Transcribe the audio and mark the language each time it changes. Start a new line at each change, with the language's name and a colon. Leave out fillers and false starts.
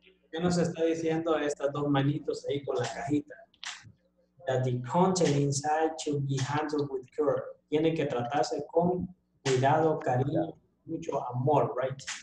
Spanish: ¿Qué nos está diciendo estas dos manitos ahí con la cajita?
English: That the content inside should be handled with care.
Spanish: Tiene que tratarse con cuidado, cariño, mucho amor,
English: right?